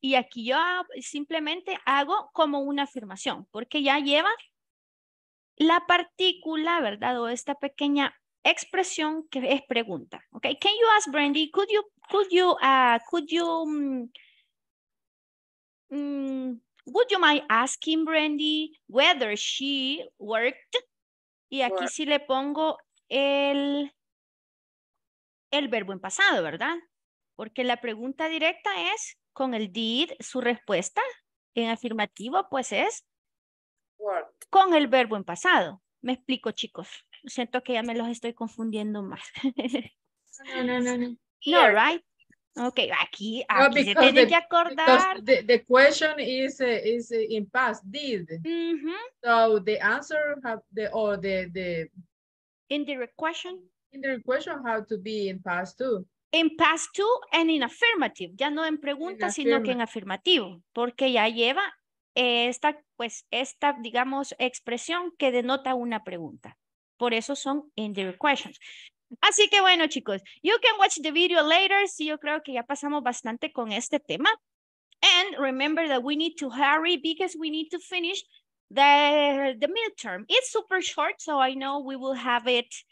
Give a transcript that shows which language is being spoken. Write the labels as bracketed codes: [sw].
[es] Y aquí yo simplemente hago como una afirmación, porque ya lleva la partícula, ¿verdad? O esta pequeña expresión que es pregunta. [en] Okay, can you ask Brandy, would you mind asking Brandy whether she worked? [es] Y aquí sí le pongo el verbo en pasado, ¿verdad? Porque la pregunta directa es con el did, su respuesta en afirmativo, pues es [en] worked. [es] Con el verbo en pasado. ¿Me explico, chicos? Siento que ya me los estoy confundiendo más. No. No, right? Okay, aquí se tiene que acordar. [en] The question is in past, did. Mm-hmm. So the answer or the indirect question. Indirect question have to be in past too. In past too and in affirmative. [es] Ya no en pregunta, sino que en afirmativo. Porque ya lleva esta, digamos, expresión que denota una pregunta. Por eso son indirect questions. Así que bueno, chicos, you can watch the video later. Sí, yo creo que ya pasamos bastante con este tema. [en] And remember that we need to hurry because we need to finish the midterm. It's super short, so I know we will have it.